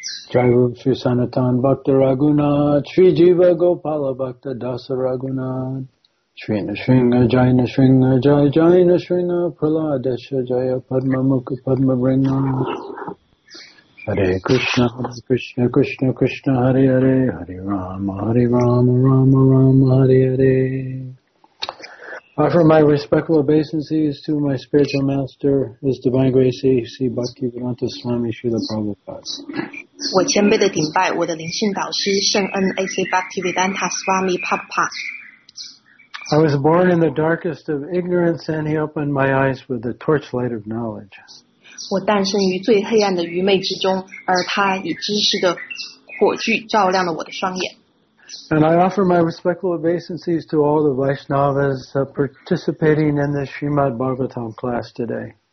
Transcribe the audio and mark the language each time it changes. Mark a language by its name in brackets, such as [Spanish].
[Sanskrit] Jai Rup Sri Sanatan Bhakta Raghunath Sri Jiva Gopala Bhakta Dasa Raghunath Sri Nishringa Jai Nishringa Jai Jai Nishringa Praladesha Jaya Padma Mukha Padma Vrinda Hare Krishna Krishna Krishna Krishna, Krishna Hare Hare Hare Rama Hare Rama Rama Rama Hare Hare. [English] Offer my respectful obeisances to my spiritual master, His Divine Grace, A.C. Bhaktivedanta Swami Srila Prabhupada. [Chinese] 我谦卑地顶拜, 我的灵性导师, 圣恩, A.C. Bhaktivedanta Swami Prabhupada. [English] I was born in the darkest of ignorance, and He opened my eyes with the torchlight of knowledge. [Chinese] 我诞生于最黑暗的愚昧之中, 而他以知识的火炬照亮了我的双眼。 [English] And I offer my respectful obeisances to all the Vaishnavas participating in the Srimad Bhagavatam class today.